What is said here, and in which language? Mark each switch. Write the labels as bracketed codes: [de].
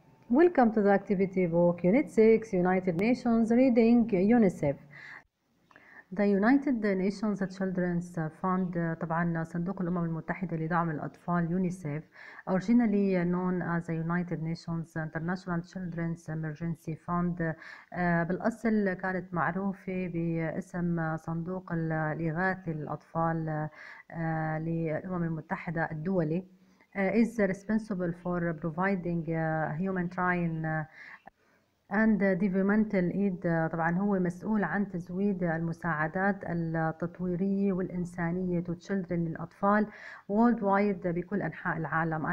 [en] Welcome to the activity book, Unit 6, United Nations Reading, UNICEF. The United Nations Children's Fund, [ar] طبعا صندوق الأمم المتحدة لدعم الأطفال UNICEF, [en] originally known as the United Nations International Children's Emergency Fund, [ar] بالأصل كانت معروفة باسم صندوق الإغاثة للأطفال للأمم المتحدة الدولي. [en] Is responsible for providing humanitarian and developmental aid. [ar] طبعا هو مسؤول عن تزويد المساعدات التطويرية والإنسانية [en] to children [ar] للأطفال [en] worldwide [ar] بكل أنحاء العالم.